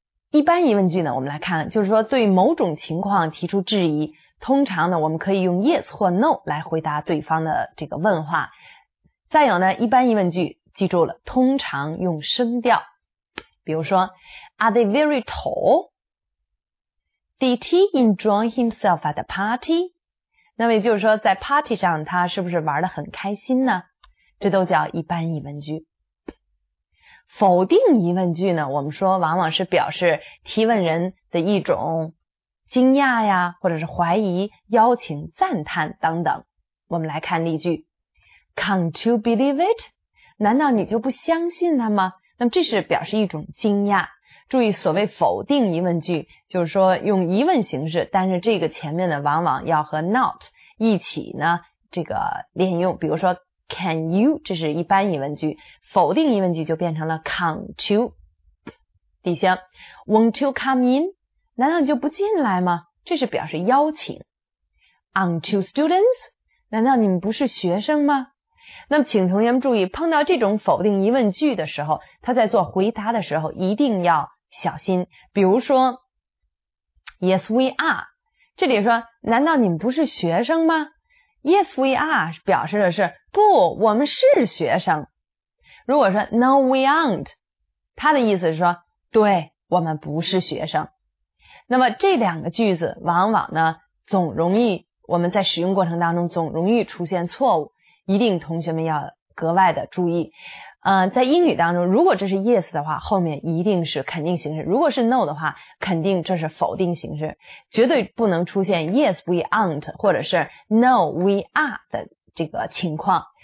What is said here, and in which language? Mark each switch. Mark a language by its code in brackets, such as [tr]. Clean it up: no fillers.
[zh] 一般疑问句呢，我们来看，就是说对某种情况提出质疑，通常呢我们可以用 yes 或 no 来回答对方的这个问话。再有呢，一般疑问句记住了，通常用声调，比如说 [en] Are they very tall? Did he enjoy himself at the party? [zh] 那么也就是说在 party 上他是不是玩得很开心呢，这都叫一般疑问句。否定疑问句呢，我们说往往是表示提问人的一种惊讶呀，或者是怀疑、邀请、赞叹等等。我们来看例句。 [en] Can't you believe it? [zh] 难道你就不相信他吗？那么这是表示一种惊讶。注意所谓否定疑问句，就是说用疑问形式，但是这个前面呢往往要和 not 一起呢这个连用。比如说 can you, 这是一般疑问句。否定疑问句就变成了 can't you。底下 [en] won't you come in? [zh] 难道你就不进来吗？这是表示邀请。 [en] Aren't you students? [zh] 难道你们不是学生吗？那么请同学们注意，碰到这种否定疑问句的时候，他在做回答的时候一定要小心。比如说 [en] Yes, we are. [zh] 这里说难道你们不是学生吗？ [en] Yes, we are [zh] 表示的是不，我们是学生。如果说 [en] No, we aren't. [zh] 他的意思是说对，我们不是学生。那么这两个句子往往呢总容易，我们在使用过程当中总容易出现错误，一定同学们要格外的注意。在英语当中，如果这是 yes 的话，后面一定是肯定形式，如果是 no 的话，肯定这是否定形式，绝对不能出现 [en] yes we aren't [zh] 或者是 [en] no we are [zh] 的这个情况。